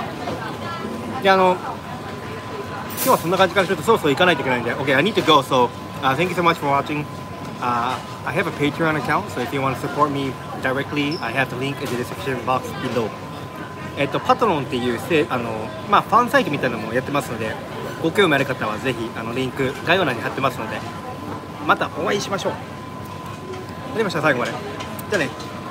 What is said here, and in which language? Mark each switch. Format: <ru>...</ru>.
<ja>で、今日はそんな感じからちょっとそろそろ行かないといけないんで。</ja> <en>Okay, I need to go, so, thank you so much for watching. I have a Patreon account, so if you want to support me directly, I have the link in the description box below.</en> <ja>パトロンっていうファンサイトみたいなのもやってますので、ご興味ある方はぜひリンク概要欄に貼ってますので、またお会いしましょう。ありました、最後まで。じゃあね。</ja>